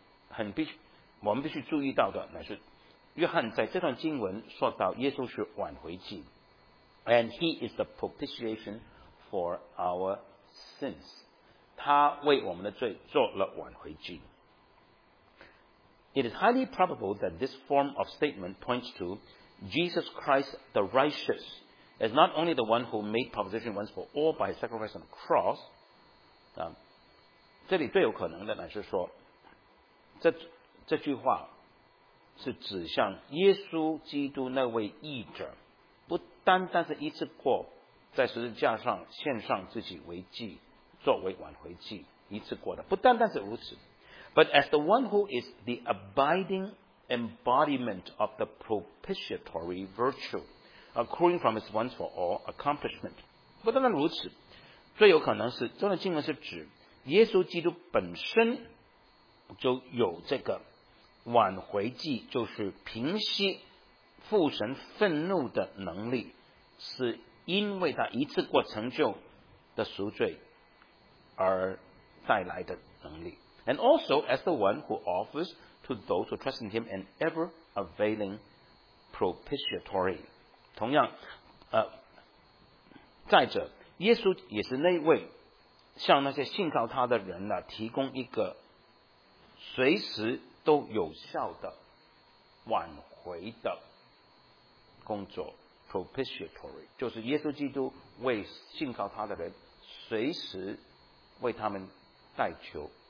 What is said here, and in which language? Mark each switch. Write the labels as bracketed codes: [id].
[zh] 很必须我们必须注意到的乃是约翰在这段经文说到耶稣是挽回祭 [en] and he is the propitiation for our sins [zh] 他为我们的罪做了挽回祭 [en] It is highly probable that this form of statement points to Jesus Christ the righteous as not only the one who made proposition once for all by his sacrifice on the cross. [zh] 这里最有可能的乃是说 这句话是指向耶稣基督那位义者不单单是一次过在十字架上献上自己为祭作为挽回祭一次过的不单单是如此 [en] But as the one who is the abiding embodiment of the propitiatory virtue, accruing from his once for all accomplishment. [zh] 不单单如此，最有可能是这段经文是指耶稣基督本身就有这个挽回祭，就是平息父神愤怒的能力，是因为他一次过成就的赎罪而带来的能力。 [en] And also as the one who offers to those who trust in him an ever-availing propitiatory. [zh] 同样，再者，耶稣也是那位向那些信靠他的人呢，提供一个随时都有效的挽回的工作 propitiatory， 就是耶稣基督为信靠他的人随时为他们代求。